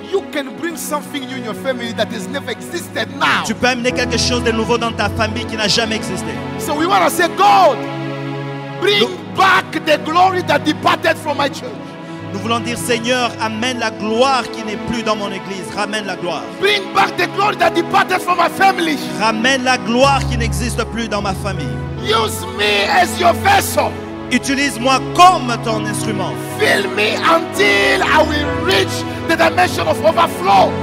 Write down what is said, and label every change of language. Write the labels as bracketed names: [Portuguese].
[English] You can bring something new in your family that has never existed now. [French] Tu peux amener quelque chose de nouveau dans ta famille qui n'a jamais existé. [English] So we want to say, God, bring back the glory that departed from my church. [French] Nous voulons dire, Seigneur, amène la gloire qui n'est plus dans mon église. Ramène la gloire. [English] Bring back the glory that departed from my family. [French] Ramène la gloire qui n'existe plus dans ma famille. [English] Use me as your vessel. [French] Utilise-moi comme ton instrument. [English] Fill me until I will reach the dimension of overflow.